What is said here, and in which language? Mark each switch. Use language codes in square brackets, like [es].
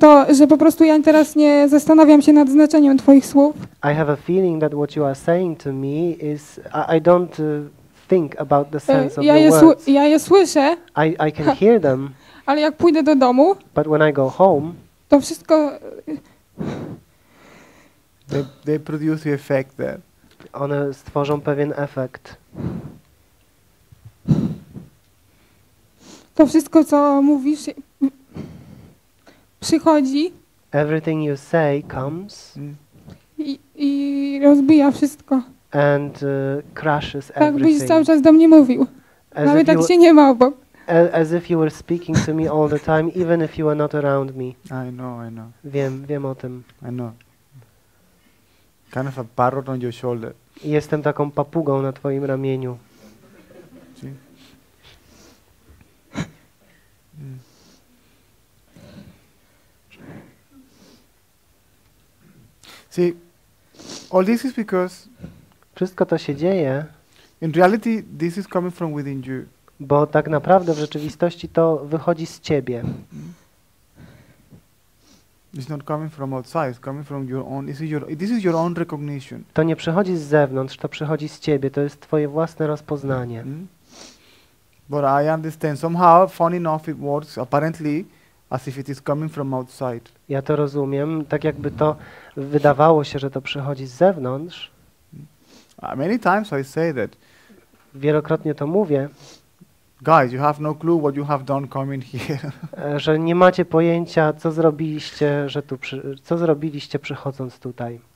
[pl] Że po prostu ja teraz nie zastanawiam się nad znaczeniem twoich słów. [en] I have a feeling that what you are saying to me is I don't think about the sense of the words. [pl] Ja je słyszę. [en] I can hear them. [pl] Ale jak pójdę do domu? [en] But when I go home. [pl] To wszystko. [en] They produce the effect there. [pl] One stworzą pewien efekt. To wszystko, co mówisz. Przychodzi. [en] Everything you say comes. [pl] I rozbija wszystko. [en] And crushes everything. [pl] Tak byś cały czas do mnie mówił. Nawet tak cię nie ma obok. [en] As if you were speaking to me all the time, even if you were not around me. I know. [pl] Wiem o tym. [en] I know. Kind of a parrot on your shoulder. [pl] Jestem taką papugą na twoim ramieniu. [en] See, all this is because. [pl] Wszystko to się dzieje. [en] In reality, this is coming from within you. [pl] Bo tak naprawdę w rzeczywistości to wychodzi z ciebie. [en] It's not coming from outside. It's coming from your own. This is your own recognition. [pl] To nie przychodzi z zewnątrz, to przychodzi z ciebie. To jest twoje własne rozpoznanie. Mm-hmm. [en] But I understand somehow. Funny enough, it works apparently. As if it is coming from outside. [pl] Ja to rozumiem, tak jakby to wydawało się, że to przychodzi z zewnątrz. [en] Many times I say that. [pl] Wielokrotnie to mówię. [en] Guys, you have no clue what you have done coming here. [pl] Że nie macie pojęcia, co zrobiliście, że tu co zrobiliście przychodząc tutaj.